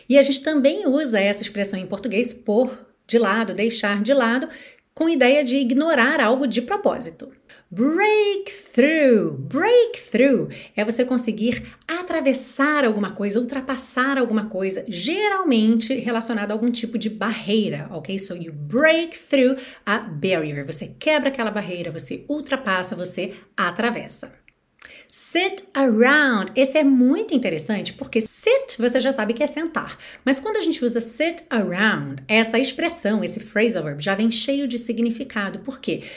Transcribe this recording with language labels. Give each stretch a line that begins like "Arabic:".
Portuguese: E a gente também usa essa expressão em português, pôr de lado, deixar de lado, com ideia de ignorar algo de propósito. Breakthrough. Breakthrough é você conseguir atravessar alguma coisa, ultrapassar alguma coisa, geralmente relacionado a algum tipo de barreira, ok?
English: So you break through a barrier.
Portuguese: Você quebra aquela barreira, você ultrapassa, você atravessa. Sit around. Esse é muito interessante porque sit, você já sabe que é sentar. Mas quando a gente usa sit around, essa expressão, esse phrasal verb, já vem cheio de significado. Por quê?